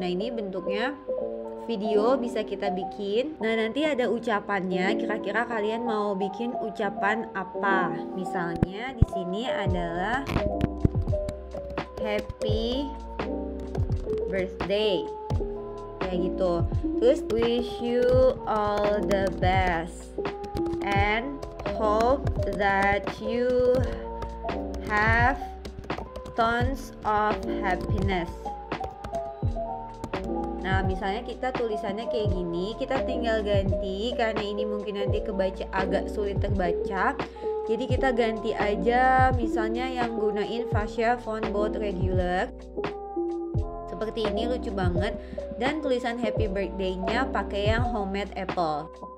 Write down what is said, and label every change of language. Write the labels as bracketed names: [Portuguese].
[Indonesian] Nah, ini bentuknya video bisa kita bikin. Nah, nanti ada ucapannya. Kira-kira kalian mau bikin ucapan apa? Misalnya di sini adalah happy birthday. Kayak gitu. [English] Terus wish you all the best and hope that you have tons of happiness. [Indonesian] Nah, misalnya kita tulisannya kayak gini, kita tinggal ganti karena ini mungkin nanti kebaca agak sulit terbaca. Jadi kita ganti aja misalnya yang gunain fascia font bold regular. seperti ini, lucu banget. Dan tulisan happy birthday-nya pakai yang homemade apple.